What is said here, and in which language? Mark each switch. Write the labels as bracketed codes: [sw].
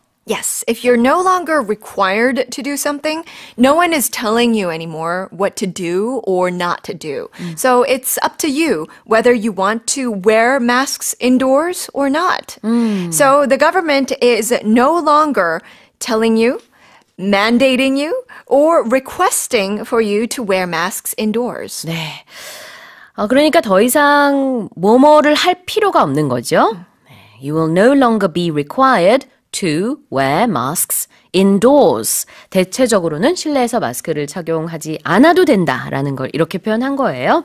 [en] Yes, if you're no longer required to do something, no one is telling you anymore what to do or not to do. Mm. So it's up to you whether you want to wear masks indoors or not. Mm. So the government is no longer telling you, mandating you, or requesting for you to wear masks indoors. [ko] 네. 그러니까 더 이상 뭐뭐를 할 필요가 없는 거죠. [en] You will no longer be required to wear masks indoors. [ko] 대체적으로는 실내에서 마스크를 착용하지 않아도 된다라는 걸 이렇게 표현한 거예요.